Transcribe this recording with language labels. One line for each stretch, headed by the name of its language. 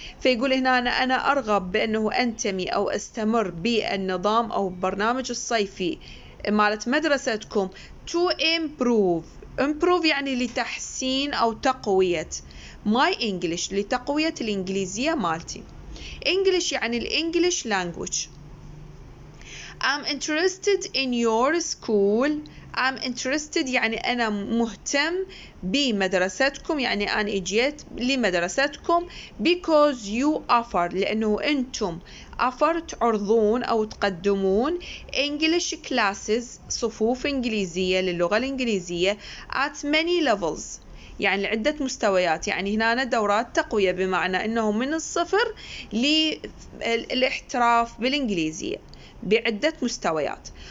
Arabic: فيقول هنا أنا أرغب بأنه أنتمي أو أستمر بالنظام أو برنامج الصيفي مالت مدرستكم
English: to improve.
Arabic: Improve يعني لتحسين أو تقوية
English: my English،
Arabic: لتقوية الإنجليزية مالتي. English يعني الإنجليش لانجوج.
English: I'm interested in your school. I'm interested
Arabic: يعني أنا مهتم بمدرستكم، يعني أنا إجيت لمدرستكم.
English: Because you offer،
Arabic: لأنه أنتم offer تعرضون أو تقدمون
English: English classes،
Arabic: صفوف إنجليزية للغة الإنجليزية
English: at many levels،
Arabic: يعني لعدة مستويات، يعني هنا دورات تقوية بمعنى أنه من الصفر للإحتراف بالإنجليزية بعدة مستويات.